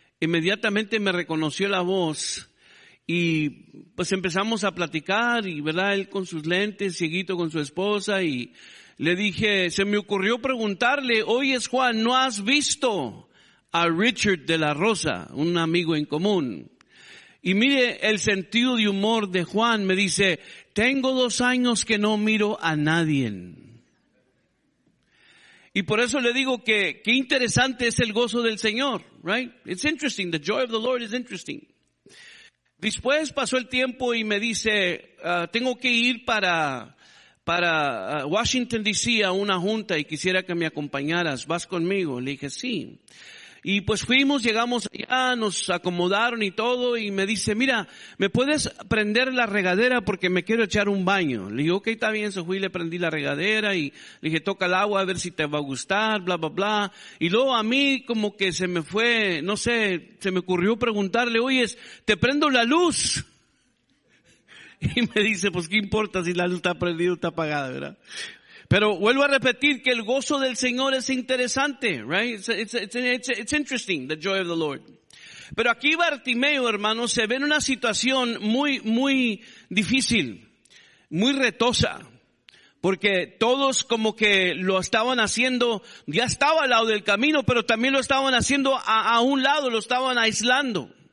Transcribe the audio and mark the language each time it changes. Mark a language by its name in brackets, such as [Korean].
[Spanish] inmediatamente me reconoció la voz y pues empezamos a platicar y, ¿verdad?, él con sus lentes, cieguito con su esposa, y le dije, se me ocurrió preguntarle, oye, Juan, ¿no has visto a Richard de la Rosa, un amigo en común? Y mire el sentido de humor de Juan, me dice, tengo 2 años que no miro a nadie. Y por eso le digo que qué interesante es el gozo del Señor, [English] right? It's interesting, the joy of the Lord is interesting. [Spanish] Después pasó el tiempo y me dice, tengo que ir para Washington DC a una junta y quisiera que me acompañaras, ¿vas conmigo? Le dije, sí. Y pues fuimos, llegamos allá, nos acomodaron y todo, y me dice, mira, ¿me puedes prender la regadera porque me quiero echar un baño? Le dije, ok, está bien, se fui y le prendí la regadera, y le dije, toca el agua a ver si te va a gustar, bla, bla, bla. Y luego a mí como que se me fue, no sé, se me ocurrió preguntarle, oye, ¿te prendo la luz? Y me dice, pues qué importa si la luz está prendida o está apagada, ¿verdad? Pero vuelvo a repetir que el gozo del Señor es interesante, [English] right? It's interesting, the joy of the Lord. [Spanish] Pero aquí Bartimeo, hermanos, se ve en una situación muy, muy difícil, muy retosa, porque todos como que lo estaban haciendo, ya estaba al lado del camino, pero también lo estaban haciendo a un lado, lo estaban aislando.